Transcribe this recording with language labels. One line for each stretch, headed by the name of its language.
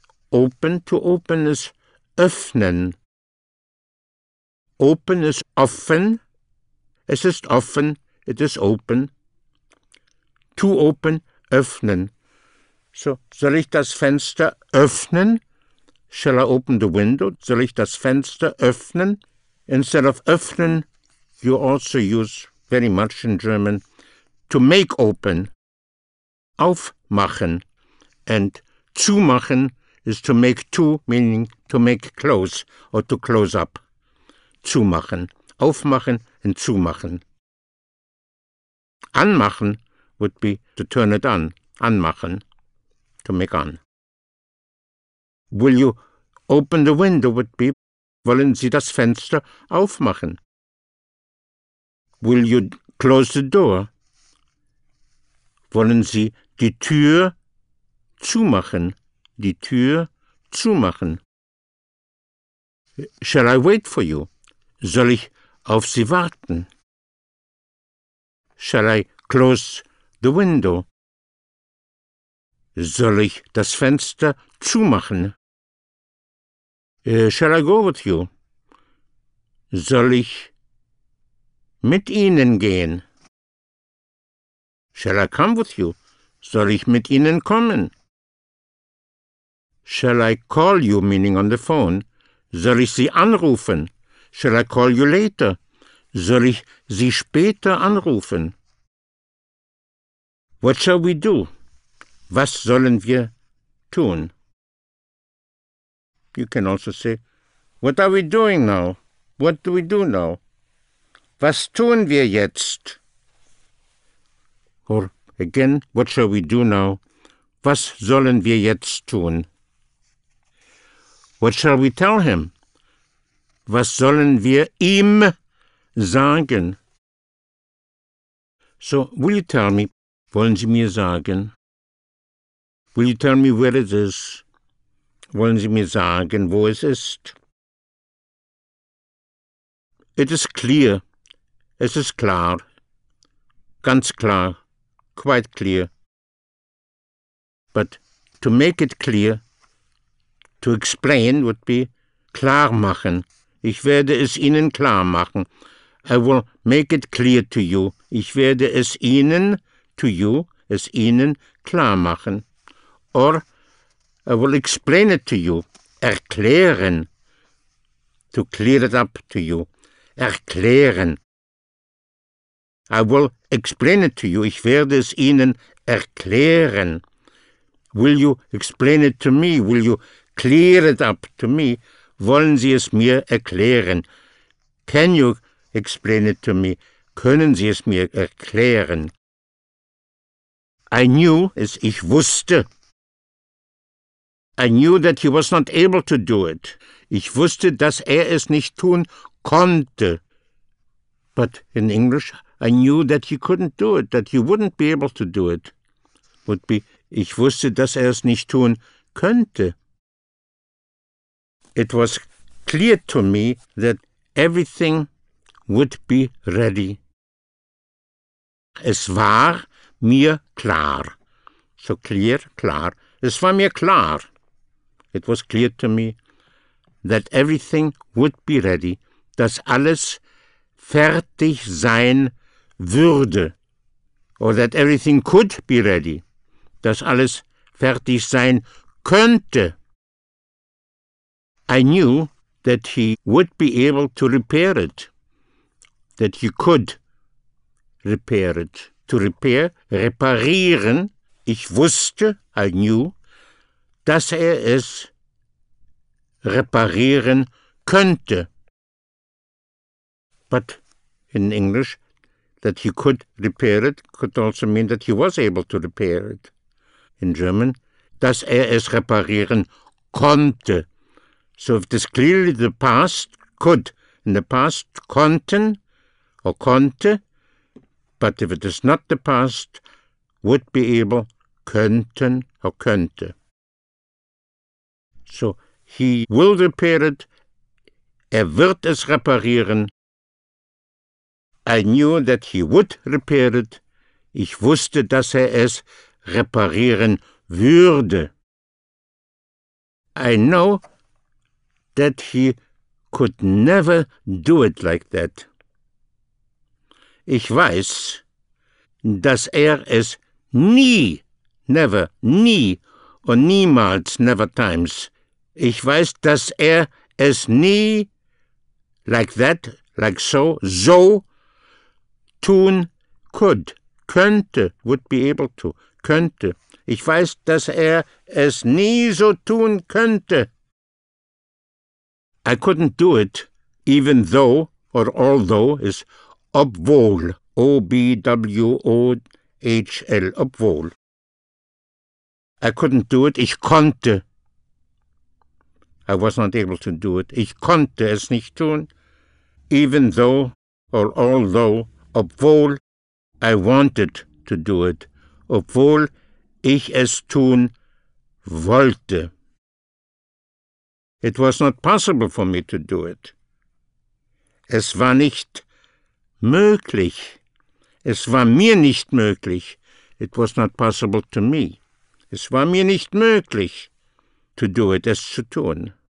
English: Open, to open is öffnen. Open is offen.
German: Es ist offen,
English: it is open. To open, öffnen.
German: So, soll ich das Fenster öffnen?
English: Shall I open the window?
German: Soll ich das Fenster öffnen?
English: Instead of öffnen, you also use very much in German to make open. Aufmachen. And zumachen is to make to, meaning to make close or to close up. Zumachen. Aufmachen and zumachen. Anmachen would be to turn it on. Anmachen. To make on. Will you open the window would be,
German: wollen Sie das Fenster aufmachen?
English: Will you close the door?
German: Wollen Sie die Tür zumachen? Die Tür zumachen.
English: Shall I wait for you?
German: Soll ich auf Sie warten?
English: Shall I close the window?
German: Soll ich das Fenster zumachen?
English: Shall I go with you?
German: Soll ich mit Ihnen gehen?
English: Shall I come with you?
German: Soll ich mit Ihnen kommen?
English: Shall I call you, meaning on the phone?
German: Soll ich Sie anrufen?
English: Shall I call you later?
German: Soll ich Sie später anrufen?
English: What shall we do?
German: Was sollen wir tun?
English: You can also say, what are we doing now? What do we do now?
German: Was tun wir jetzt?
English: Or again, what shall we do now?
German: Was sollen wir jetzt tun?
English: What shall we tell him?
German: Was sollen wir ihm sagen?
English: So, will you tell me,
German: wollen Sie mir sagen?
English: Will you tell me where it is?
German: Wollen Sie mir sagen, wo es ist?
English: It is clear.
German: Es ist klar. Ganz klar.
English: Quite clear. But to make it clear, to explain would be klar machen.
German: Ich werde es Ihnen klar machen.
English: I will make it clear to you.
German: Ich werde es Ihnen,
English: to you,
German: es Ihnen klar machen.
English: Or I will explain it to you. Erklären. To clear it up to you. Erklären. I will explain it to you.
German: Ich werde es Ihnen erklären.
English: Will you explain it to me? Will you clear it up to me?
German: Wollen Sie es mir erklären?
English: Can you explain it to me?
German: Können Sie es mir erklären?
English: I knew,
German: es ich wusste.
English: I knew that he was not able to do it.
German: Ich wusste, dass er es nicht tun konnte.
English: But in English, I knew that he couldn't do it, that he wouldn't be able to do it. Would be,
German: ich wusste, dass er es nicht tun könnte.
English: It was clear to me that everything would be ready.
German: Es war mir klar.
English: So clear,
German: klar. Es war mir klar.
English: It was clear to me that everything would be ready,
German: dass alles fertig sein würde.
English: Or that everything could be ready,
German: dass alles fertig sein könnte.
English: I knew that he would be able to repair it, that he could repair it. To repair, reparieren. Ich wusste, I knew, dass er es reparieren könnte. But in English, that he could repair it could also mean that he was able to repair it. In German,
German: dass er es reparieren konnte.
English: So if it is clearly the past, could. In the past, konnten or konnte. But if it is not the past, would be able, könnten or könnte. So he will repair it.
German: Er wird es reparieren.
English: I knew that he would repair it.
German: Ich wusste, dass er es reparieren würde.
English: I know that he could never do it like that.
German: Ich weiß, dass er es nie, never, nie und niemals,
English: never times.
German: Ich weiß, dass er es nie
English: like that, like so,
German: so tun could, könnte,
English: would be able to,
German: könnte. Ich weiß, dass er es nie so tun könnte.
English: I couldn't do it, even though, or although, is obwohl, O-B-W-O-H-L, obwohl. I couldn't do it,
German: ich konnte.
English: I was not able to do it. Ich konnte es nicht tun, even though, or although, obwohl I wanted to do it, obwohl ich es tun wollte. It was not possible for me to do it.
German: Es war nicht möglich. Es war mir nicht möglich.
English: It was not possible to me.
German: Es war mir nicht möglich
English: to do it,
German: es zu tun.